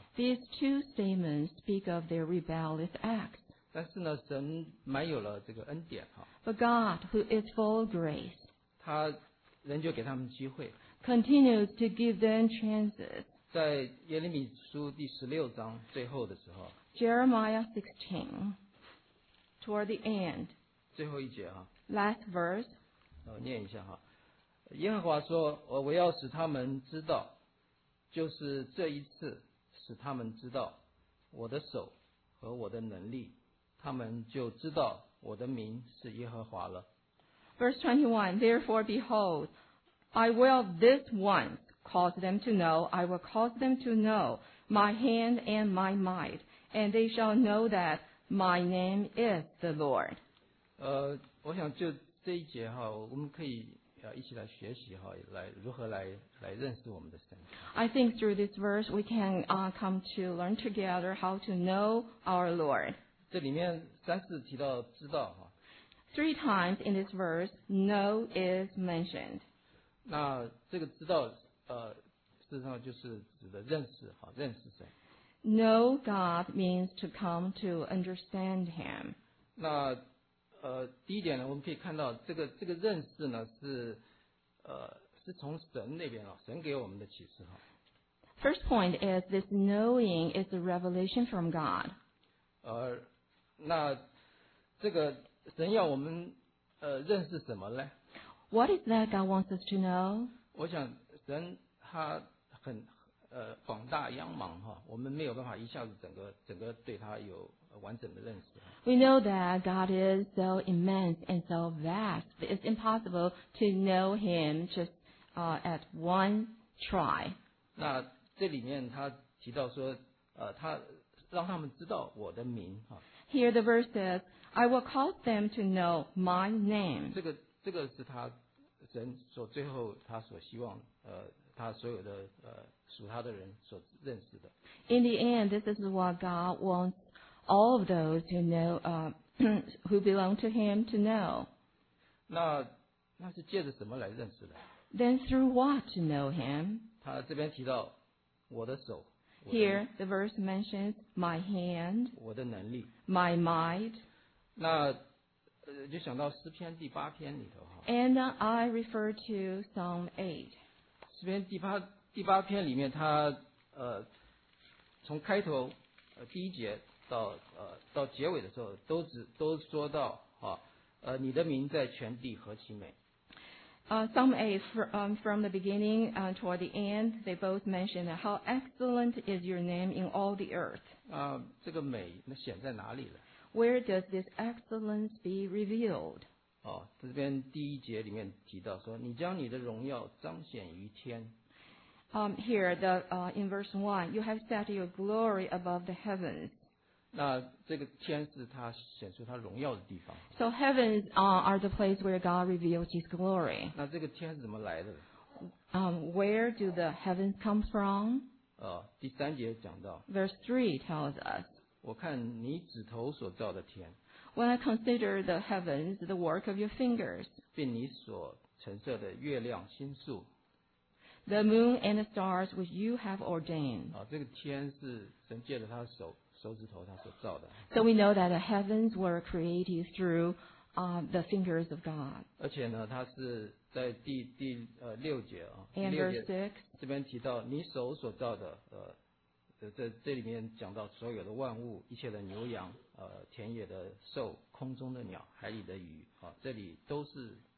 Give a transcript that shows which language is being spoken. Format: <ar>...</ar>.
<en>These two statements speak of their rebellious acts.</en> <zh>但是呢，神满有了这个恩典哈。</zh> <en>But God, who is full of grace,</en> <zh>他仍旧给他们机会。</zh> <en>Continues to give them chances.</en> <zh>在耶利米书第十六章最后的时候。</zh> <en>Jeremiah 16, toward the end.</en> <zh>最后一节哈。</zh> <en>Last verse.</en> <zh>我念一下哈。耶和华说：“我要使他们知道，就是这一次，使他们知道，我的手和我的能力，他们就知道我的名是耶和华了。</zh> <en>Verse 21, therefore behold, I will this once cause them to know, I will cause them to know my hand and my might, and they shall know that my name is the Lord.</en> <zh>我想就这一节哈，我们可以一起来学习哈，来如何来认识我们的神。</zh> <en>I think through this verse we can come to learn together how to know our Lord.</en> <zh>这里面三次提到知道哈。</zh> <en>Three times in this verse, know is mentioned.</en> <zh>那这个知道事实上就是指的认识哈，认识神。</zh> <en>Know God means to come to understand Him.</en> <zh>那第一点呢，我们可以看到这个认识呢是从神那边啊，神给我们的启示哈。</zh> <en>First point is this knowing is a revelation from God.</en> <zh>那这个神要我们认识什么呢</zh> <en>？What is that God wants us to know？</en> <zh>我想神他很广大央茫哈，我们没有办法一下子整个对他有完整的认识。</zh> <en>We know that God is so immense and so vast. It's impossible to know Him just at one try.</en> <zh>那这里面他提到说，他让他们知道我的名哈。</zh> <en>Here the verse says, "I will cause them to know my name."</en> <zh>这个是他神所最后他所希望他所有的属他的人所认识的。</zh> <en>In the end, this is what God wants all of those who know who belong to Him to know.</en> <zh>那是借着什么来认识的</zh> <en>？Then through what to know Him?</en> <zh>他这边提到我的手。</zh> <en>Here the verse mentions my hand.</en> <zh>我的能力。</zh> <en>My might.</en> <zh>那就想到诗篇第八篇里头哈。</zh> <en>And I refer to Psalm 8.</en> <zh>诗篇第八篇里面他，从开头第一节到结尾的时候都说到哈，你的名在全地何其美。</zh> <en>Psalm 8 from the beginning toward the end, they both mention how excellent is your name in all the earth.</en> <zh>这个美那显在哪里了</zh> <en>？Where does this excellence be revealed？</en> <zh>这边第一节里面提到说，你将你的荣耀彰显于天。</zh> <en>Here, in verse 1, you have set your glory above the heavens.</en> <zh>那这个天是他显出他荣耀的地方。</zh> <en>So heavens are the place where God reveals His glory.</en> <zh>那这个天是怎么来的？</zh> <en>Where do the heavens come from?</en> <zh>第三节讲到。</zh> <en>Verse 3 tells us.</en> <zh>我看你指头所造的天。</zh> <en>When I consider the heavens, the work of your fingers.</en> <zh>并你所陈设的月亮星宿。</zh> <en>The moon and the stars which you have ordained.</en> <zh>这个天是神借着他的手指头他所造的。</zh> <en>So we know that the heavens were created through the fingers of God.</en> <zh>而且呢，他是在六节啊。</zh> <en>And verse 6.</en> <zh>这边提到你手所造的这里面讲到所有的万物，一切的牛羊，田野的兽，空中的鸟，海里的鱼，这里都是。</zh>